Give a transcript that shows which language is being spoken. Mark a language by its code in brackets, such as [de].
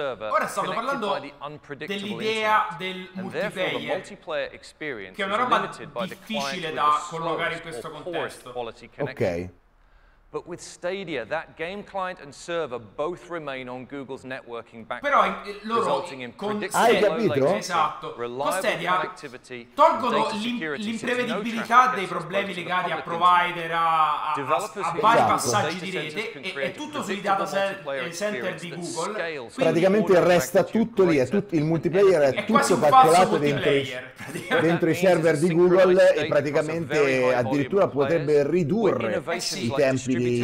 [it] Ora stavo parlando dell'idea del multiplayer, che è una roba difficile da collocare in questo contesto. Ok. [en] But with Stadia, that game client and server both remain on Google's networking backbone. [it] Però loro con Stadia, esatto, con Stadia tolgono l'imprevedibilità dei problemi legati a provider, a vari passaggi di rete, e tutto sui data center di Google. Quindi praticamente resta tutto lì, il multiplayer è tutto calcolato dentro i server di Google, e praticamente addirittura potrebbe ridurre i tempi.